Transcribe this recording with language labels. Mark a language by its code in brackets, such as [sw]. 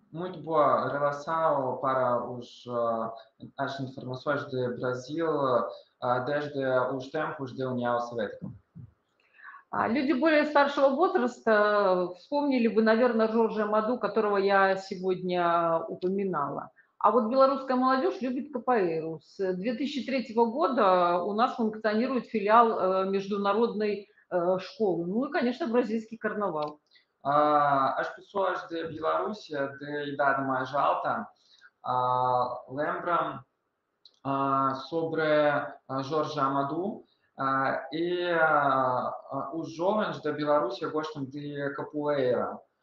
[pt] muito boa relação para os, as informações do Brasil desde os tempos da União Soviética. [ru] Люди более старшего возраста вспомнили бы, наверное, Жоржа Маду, которого я сегодня упоминала. А вот белорусская молодежь любит капоэйру. С 2003 года у нас функционирует филиал международной школы. Ну и, конечно, бразильский карнавал. [pt] As pessoas de Belarus, de idade mais alta, lembram sobre Jorge Amadou. E os jovens da Bielorrússia gostam de capoeira.